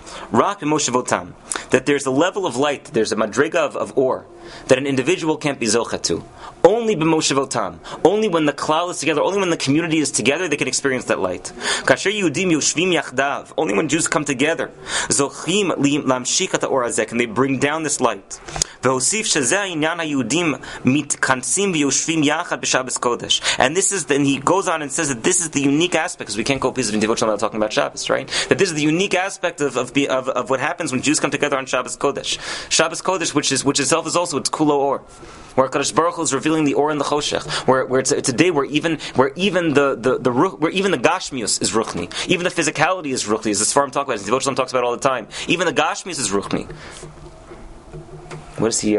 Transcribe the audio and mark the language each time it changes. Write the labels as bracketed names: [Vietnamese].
[Hebrew] Rak b'moshevotam, [English] that there's a level of light, there's a madriga of or, that an individual can't be zochet to. Only b'moshevotam, only when the klal is together, only when the community is together, they can experience that light. [Hebrew] Kasher yudim yoshvim yachdav, [English] only when Jews come together, [Hebrew] zochim lamshikat ha'or hazek, [English] and they bring down this light. [Hebrew] והוסיף שזה העניין היהודים מתכנסים ויושבים יחד בשבת קודש. [English] And this is then he goes on and says that this is the unique aspect, because we can't go pieces of devotion without talking about Shabbos, right? That this is the unique aspect of what happens when Jews come together on Shabbos Kodesh. Shabbos Kodesh, which itself is also, it's Kulo Or, where Kodesh Baruch Hu is revealing the Or in the Choshech, where it's a day where even the Gashmius is Ruchni, even the physicality is Ruchni, as the Sfarim talk about, as the Devot Shalom talks about all the time, even the Gashmius is Ruchni. What is he?